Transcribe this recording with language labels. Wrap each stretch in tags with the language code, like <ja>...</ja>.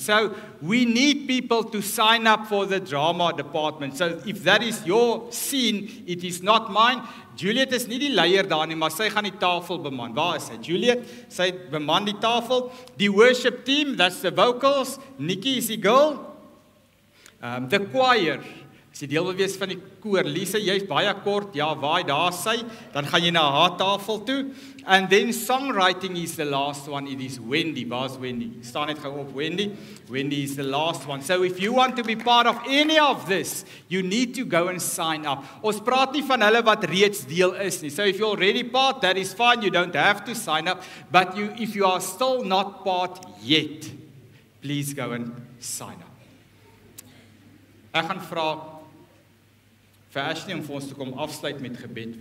<en>So, we need people to sign up for the drama department. So, if that is your scene, it is not mine.</en> <af>Juliet is nie die leier daar nie, maar sy gaan die tafel beman. Waar is sy? Juliet, sy beman die tafel. Die worship team,</af> <en>that's the vocals.</en> <af>Nikki is die girl.</af> <en>The choir,</en> <af>as jy deel wil wees van die koor. Lisa, jy is baie kort, ja, waai, daar is sy. Dan gaan jy na haar tafel toe.</af> <en>And then songwriting is the last one. It is Wendy,</en> <af>waar is Wendy? Staan net gauw op,</af> <en>Wendy. Wendy is the last one. So if you want to be part of any of this, you need to go and sign up.</en> <af>Ons praat nie van hulle wat reeds deel is nie.</af> <en>So if you're already part, that is fine. You don't have to sign up. But you, if you are still not part yet, please go and sign up.</en> <af>Ek gaan vraag vir Ashley om vir ons te kom afsluit met gebed.</af>